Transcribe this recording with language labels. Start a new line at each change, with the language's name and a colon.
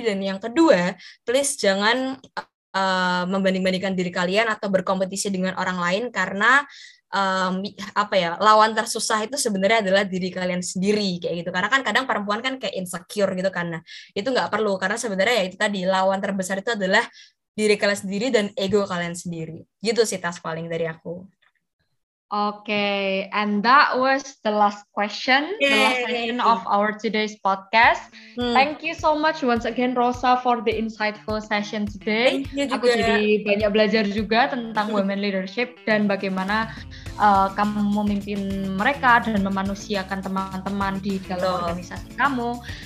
Indonesian: Dan yang kedua, please jangan membanding-bandingkan diri kalian atau berkompetisi dengan orang lain, karena apa ya, lawan tersusah itu sebenarnya adalah diri kalian sendiri kayak gitu. Karena kan kadang perempuan kan kayak insecure gitu, karena itu nggak perlu, karena sebenarnya ya itu tadi, lawan terbesar itu adalah diri kalian sendiri dan ego kalian sendiri. Gitu sih tas paling dari aku.
English: Okay, and that was the last question, the last question of our today's podcast. Thank you so much once again, Rosa, for the insightful session today.
Indonesian: Aku jadi banyak belajar juga tentang women leadership dan bagaimana kamu memimpin mereka dan memanusiakan teman-teman di dalam organisasi kamu.